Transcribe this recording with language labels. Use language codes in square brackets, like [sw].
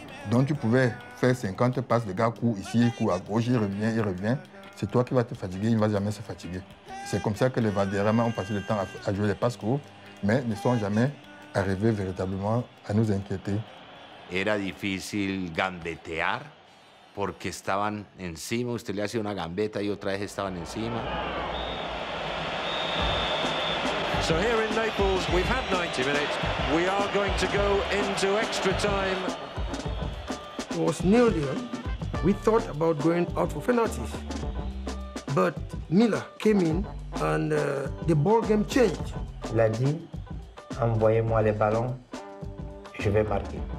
[fr] Donc tu pouvais faire 50 passes, les gars courent ici, courent à gauche, il revient. C'est toi qui vas te fatiguer, il ne va jamais se fatiguer. C'est comme ça que les Valderrama ont passé le temps à jouer les passes courtes, mais ne sont jamais arrivés véritablement à nous inquiéter. [es] Era difícil gambetear porque estaban encima. Usted le hace una gambeta y otra vez estaban encima. [en] So here in Naples, we've had 90 minutes. We are going to go into extra time. It was nearly there. We thought about going out for penalties. But Miller came in and the ball game changed. [fr] Il a dit, envoyez-moi les ballons, je vais marquer.